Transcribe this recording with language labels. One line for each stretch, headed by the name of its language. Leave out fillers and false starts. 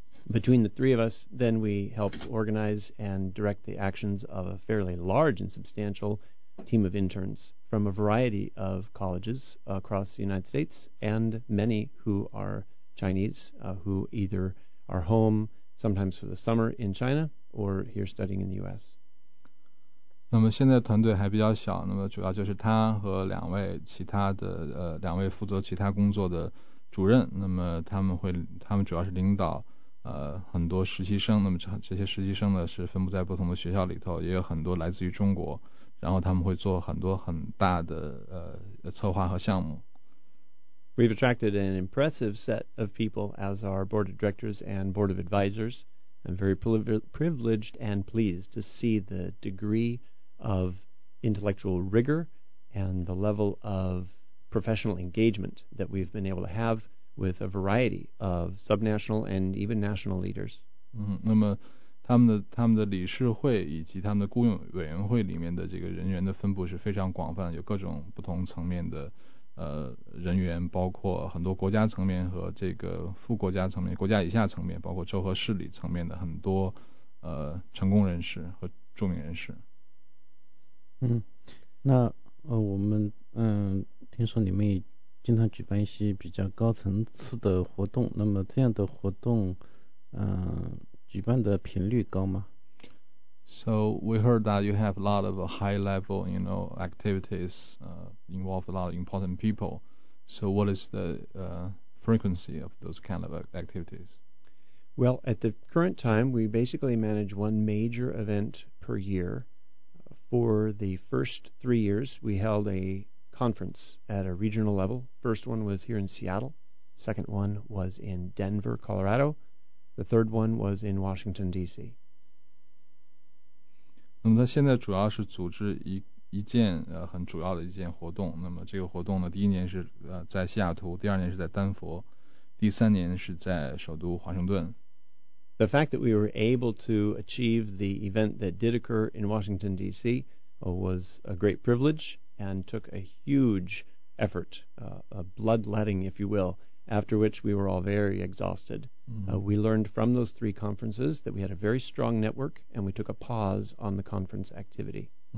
English: Between the three of us, then we help organize and direct the actions of a fairly large and substantial team of interns from a variety of colleges across the United States and many who are Chinese, who either are home sometimes for the summer in China or here studying in the U.S.
Chinese: 那么现在团队还比较小，那么主要就是他和两位其他的两位负责其他工作的主任，那么他们主要是领导很多实习生，那么这些实习生呢是分布在不同的学校里头，也有很多来自于中国，然后他们会做很多很大的策划和项目。
English: We've attracted an impressive set of people as our board of directors and board of advisors. I'm very privileged and pleased to see the degree of intellectual rigor and the level of professional engagement that we've been able to have with a variety of subnational and even national leaders.
Chinese: 那么他们的理事会以及他们的雇佣委员会里面的这个人员的分布是非常广泛，有各种不同层面的人员，包括很多国家层面和这个副国家层面、国家以下层面，包括州和市里层面的很多成功人士和著名人士。那我们听说你们也经常举办一些比较高层次的活动，那么这样的活动举办的频率高吗？
English: So we heard that you have a lot of high level activities involve a lot of important people. So what is the frequency of those kind of activities? Well, at the current time, we basically manage one major event per year. For the first 3 years, we held a conference at a regional level. First one was here in Seattle. Second one was in Denver, Colorado. The third one was in Washington, D.C.
Chinese: 那么它现在主要是组织一件很主要的一件活动。那么这个活动呢，第一年是在西雅图，第二年是在丹佛，第三年是在首都华盛顿。
English: The fact that we were able to achieve the event that did occur in Washington, D.C. was a great privilege and took a huge effort, a bloodletting, if you will, after which we were all very exhausted. We learned from those three conferences that we had a very strong network and we took a pause on the conference activity.